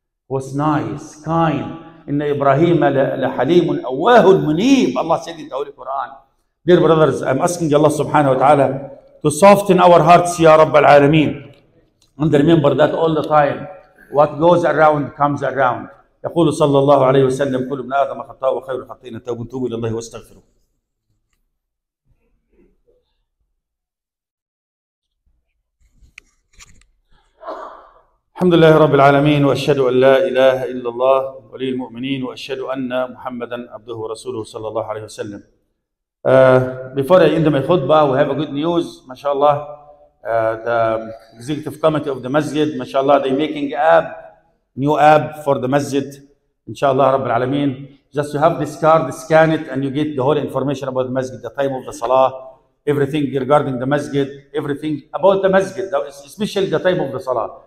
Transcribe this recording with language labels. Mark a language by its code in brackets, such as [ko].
[en] Was nice, kind. [ar] Inna Ibrahim la halimun awahul munib. [en] Allah said in the Holy Quran. Dear brothers, I'm asking Allah subhanahu wa ta'ala to soften our hearts, Ya Rabb al-Alameen. And remember that all the time, what goes around comes around. [ar] يقول صلى الله عليه وسلم كل من آدم خطاء وخير خطيئة توب توب إلى الله واستغفره. الحمد لله رب العالمين، وأشهد أن لا إله إلا الله ولي المؤمنين، وأشهد أن محمدًا عبده ورسوله صلى الله عليه وسلم. [en] Before I end my khutbah, we have a good news. MashaAllah, the executive committee of the masjid, MashaAllah, they're making a new app for the masjid. InshaAllah, [ar] رب العالمين. [en] Just you have this card, scan it, and you get the whole information about the masjid, the time of the salah, everything regarding the masjid, everything about the masjid, especially the time of the salah.